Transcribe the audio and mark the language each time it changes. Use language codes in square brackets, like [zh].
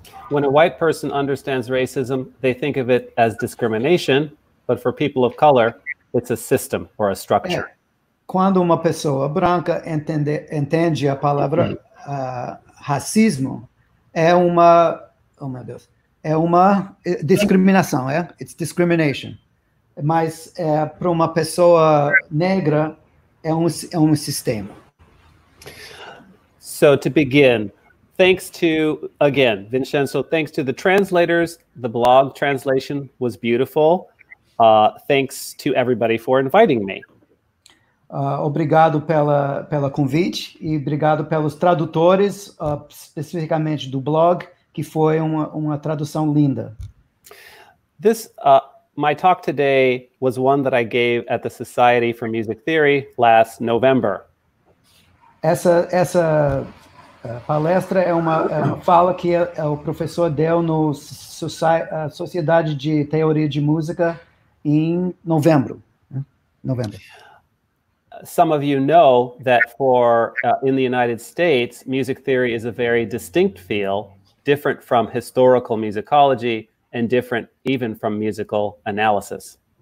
[en] When a white person understands racism, they think of it as discrimination, but for people of color, it's a system or a structure. [pt] Quando uma pessoa branca entende a palavra racismo, é uma... Oh, meu Deus. É uma discriminação, é? [en] It's discrimination. [pt] Mas é, para uma pessoa negra, é um sistema. [en] So, to begin, thanks to, again, Vincenzo, thanks to the translators. The blog translation was beautiful. Thanks to everybody for inviting me. [pt] Obrigado pela convite e obrigado pelos tradutores, especificamente do blog, que foi uma tradução linda. [en] This, my talk today was one that I gave at the Society for Music Theory last November. [pt] Essa palestra é uma fala que o professor deu no Sociedade de Teoria de Música em novembro. [en] Some of you know that for in the United States, music theory is a very distinct field, different from historical musicology and different even from musical analysis.